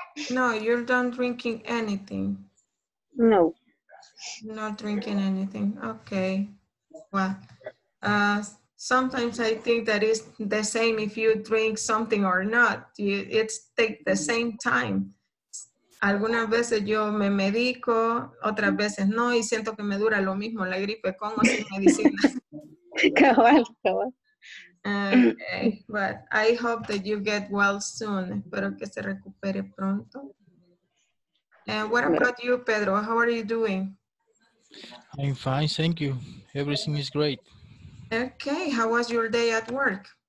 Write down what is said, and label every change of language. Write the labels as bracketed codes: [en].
[en] No, you're not drinking anything. No. Not drinking anything. Okay. Well, sometimes I think that is the same if you drink something or not. It takes the same time. [es] Algunas veces yo me medico, otras veces no, y siento que me dura lo mismo la gripe con o sin medicina. Cabal, cabal. [en] Okay, but I hope that you get well soon. [es] Espero que se recupere pronto. [en] And what about you, Pedro? How are you doing? I'm fine, thank you. Everything is great. Okay, how was your day at work?